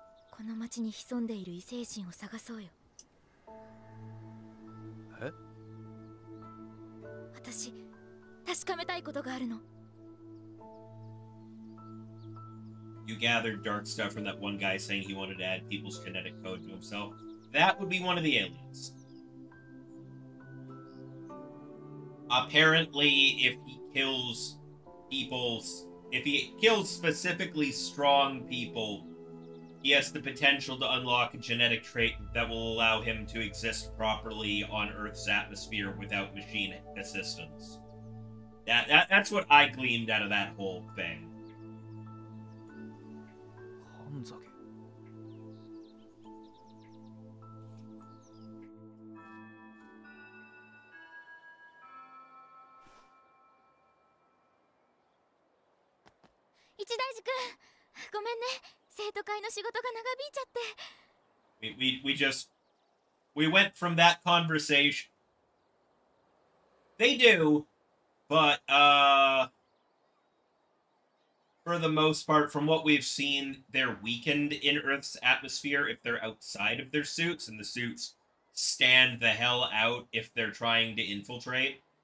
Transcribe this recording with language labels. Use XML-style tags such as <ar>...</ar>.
<ja>この町に潜んでいる異星人を探そうよ。え? 私、確かめたいことがあるの。</ja> <en>You gathered dark stuff from that one guy saying he wanted to add people's genetic code to himself. That would be one of the aliens. Apparently, if he kills people's, if he kills specifically strong people, he has the potential to unlock a genetic trait that will allow him to exist properly on Earth's atmosphere without machine assistance. That's what I gleaned out of that whole thing.</en> <ja>Ichidaiji-kun, gomen ne. 生徒会の仕事が長引いちゃって。</ja> <en>We went from that conversation. They do, but, for the most part, from what we've seen, they're weakened in Earth's atmosphere if they're outside of their suits, and the suits stand the hell out if they're trying to infiltrate.</en>